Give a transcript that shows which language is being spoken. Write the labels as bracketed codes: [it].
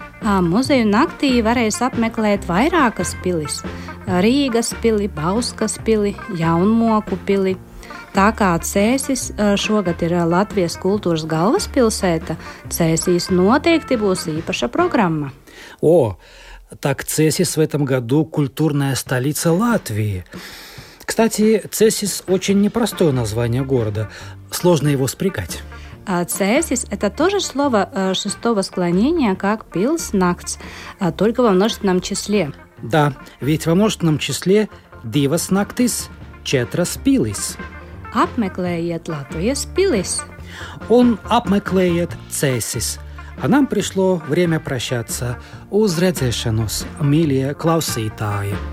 [lv] Muzeju naktī varēs apmeklēt vairākas pilis. Rīgas pili, Bauskas pili, Jaunmoku pili. Tā kā Cēsis šogad ir Latvijas kultūras galvaspilsēta, Cēsīs noteikti būs īpaša programma. [ru] O, так Цесис в этом году культурная столица Латвии. Кстати, Цесис очень непростое название города. Сложно его спрягать. Цесис – это тоже слово шестого склонения, как пилс, нактс, только во множественном числе. Да, ведь во множественном числе [lv] дивас нактис, четрас пилис. Апмеклеет Латвиес пилис. Он апмеклеет Цесис. [ru] А нам пришло время прощаться. [lv] Uzredzēšanos, mīļie klausītāji.